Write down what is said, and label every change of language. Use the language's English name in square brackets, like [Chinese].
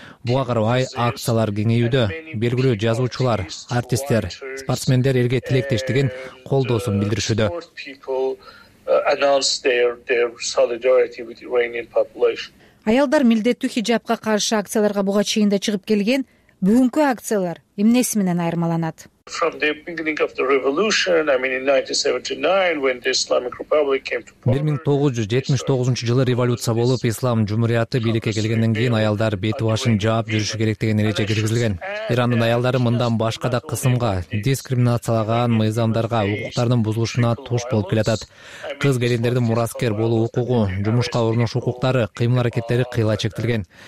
[Kyrgyz] Буга карабай, акциялар кеңейүүдө. Белгилүү жазуучулар, артисттер, спортсмендер элге тилектештигин колдоосун билдиришүүдө. Аялдар милдеттүү хиджабка каршы акцияларга буга чейин да чыгып келген, бүгүнкү акциялар эмнеси менен айырмаланат? [English] From the beginning of the revolution, I mean in 1979 when the Islamic Republic came to power. [Kyrgyz] 1979-жылы революция болуп, Ислам Жумхурияты бийликке келгенден кийин аялдар бети башын жаап жүрүшү керек деген эреже киргизилген. Ирандын аялдары мындан башка да кысымга, дискриминациялаган мыйзамдарга, укуктардын бузулушуна туш болуп келатат. Кыз келиндердин мураскер болуу укугу, жумушка орношуу укуктары, кыймыл аракеттери кыйла чектелген.